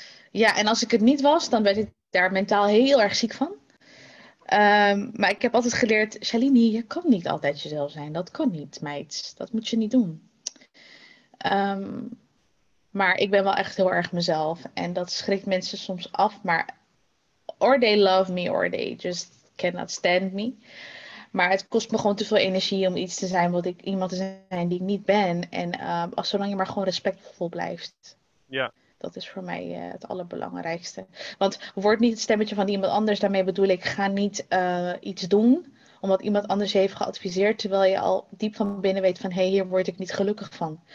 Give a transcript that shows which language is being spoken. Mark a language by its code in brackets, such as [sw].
[nl] Ja, en als ik het niet was, dan werd ik daar mentaal heel erg ziek van. Maar ik heb altijd geleerd, Shalini, je kan niet altijd jezelf zijn. Dat kan niet, meid. Dat moet je niet doen. Maar ik ben wel echt heel erg mezelf. En dat schrikt mensen soms af, maar. [en] Or they love me, or they just cannot stand me. [nl] Maar het kost me gewoon te veel energie om iets te zijn wat ik iemand te zijn die ik niet ben. En als zolang je maar gewoon respectvol blijft, Ja. dat is voor mij het allerbelangrijkste. Want word niet het stemmetje van iemand anders. Daarmee bedoel ik, ga niet iets doen omdat iemand anders je heeft geadviseerd, terwijl je al diep van binnen weet van, hey, hier word ik niet gelukkig van.